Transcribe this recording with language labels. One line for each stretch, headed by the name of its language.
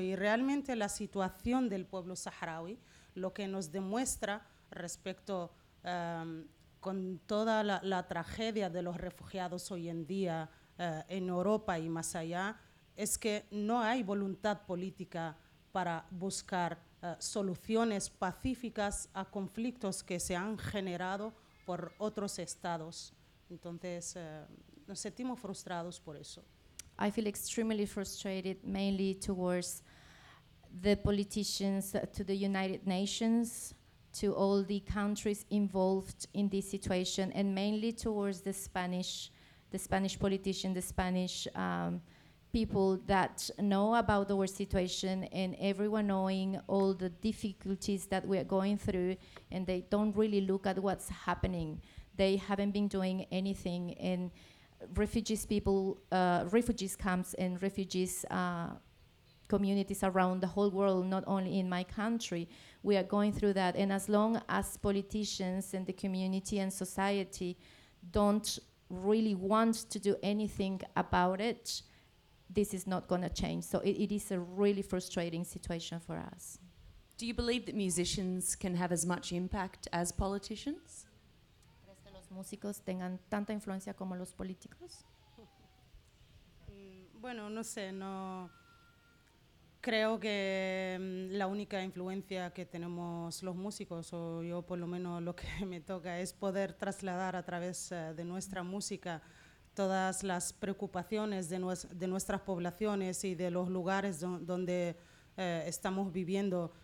Spanish: Y realmente la situación del pueblo saharaui, lo que nos demuestra respecto con toda la tragedia de los refugiados hoy en día en Europa y más allá, es que no hay voluntad política para buscar soluciones pacíficas a conflictos que se han generado por otros estados. Entonces, nos sentimos frustrados por eso.
English: I feel extremely frustrated, mainly towards the politicians, to the United Nations, to all the countries involved in this situation, and mainly towards the Spanish politician, the Spanish people that know about our situation, and everyone knowing all the difficulties that we are going through, and they don't really look at what's happening. They haven't been doing anything, and refugees people, refugees camps and refugees communities around the whole world, not only in my country, we are going through that. And as long as politicians and the community and society don't really want to do anything about it, this is not going to change. So it is a really frustrating situation for us. Do you believe that musicians can have as much impact as politicians?
Spanish: ¿Crees que los músicos tengan tanta influencia como los políticos? Bueno, no sé, no creo que la única influencia que tenemos los músicos, o yo por lo menos lo que me toca, es poder trasladar a través de nuestra música todas las preocupaciones de nuestras poblaciones y de los lugares donde estamos viviendo.